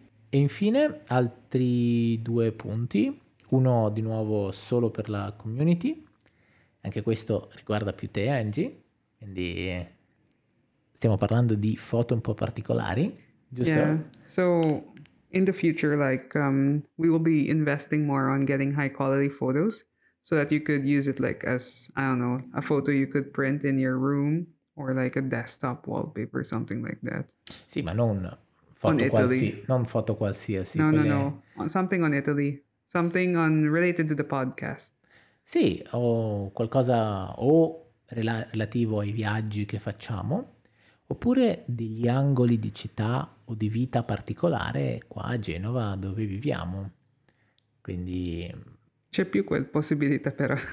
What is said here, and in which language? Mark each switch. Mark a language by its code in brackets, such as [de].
[it] E infine altri due punti, uno di nuovo solo per la community, anche questo riguarda più te, Angie, quindi stiamo parlando di foto un po' particolari, giusto? [en] Yeah, so in the future, like, we will be investing more on getting high quality photos so that you could use it like as, I don't know, a photo you could print in your room or like a desktop wallpaper or something like that. [it] Sì, ma non foto, non foto qualsiasi. No, quelle... [en] no, something on Italy, something on related to the podcast. [it] Sì, o qualcosa o relativo ai viaggi che facciamo, oppure degli angoli di città o di vita particolare qua a Genova dove viviamo. Quindi c'è più quel possibilità però.